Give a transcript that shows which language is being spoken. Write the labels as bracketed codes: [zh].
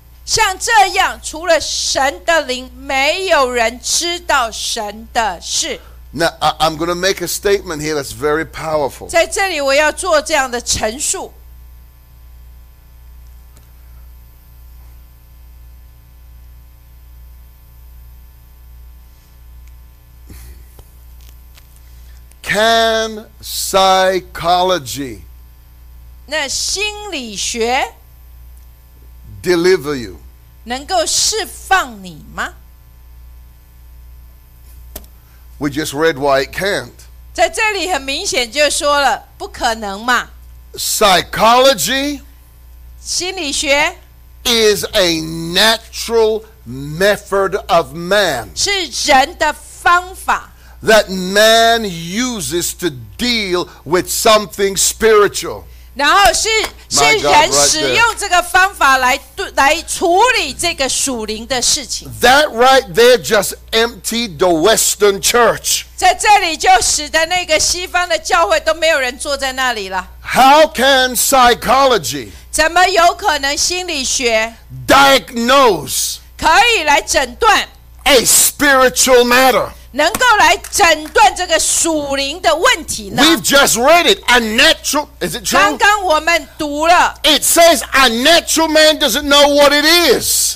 [zh] 像这样，除了神的灵，没有人知道神的事。 [en] Now, I'm going to make a statement here that's very powerful. [zh] 在这里我要做这样的陈述。 [en] Can psychology [zh] 那心理学 [en] deliver you? [zh] 能够释放你吗？ [en] We just read why it can't. [zh] 在这里很明显就说了，不可能嘛。 [en] Psychology, [zh] 心理学 [en] is a natural method of man. [zh] 是人的方法。 [en] That man uses to deal with something spiritual. [zh] 然后是是人使用这个方法来来处理这个属灵的事情。 [en] That right there just emptied the Western church. [zh] 在这里就使得那个西方的教会都没有人坐在那里了。 [en] How can psychology? [zh] 怎么有可能心理学 [en] diagnose? [zh] 可以来诊断 [en] a spiritual matter. [zh] 能够来诊断这个属灵的问题呢 [en] We've just read it. A natural, is it true? [zh] 刚刚我们读了 [en] It says a natural man doesn't know what it is.